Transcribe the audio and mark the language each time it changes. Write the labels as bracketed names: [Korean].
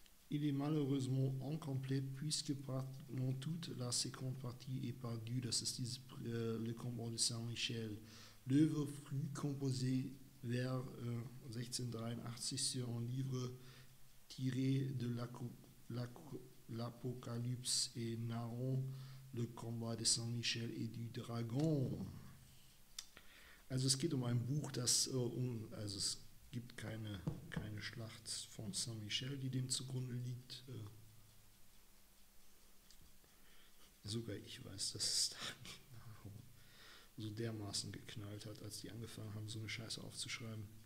[French] Il est malheureusement incomplet puisque toute la seconde partie est perdue. [German] Das ist dieses, Le Combat de Saint-Michel. [French] L'œuvre fut composée vers 1683 sur un livre tiré de l'Apocalypse et narrant le combat de Saint-Michel et du dragon. [German] Also es geht um ein Buch, das also es gibt keine Schlacht von Saint-Michel, die dem zugrunde liegt. Sogar ich weiß, dass es da so dermaßen geknallt hat, als die angefangen haben, so eine Scheiße aufzuschreiben.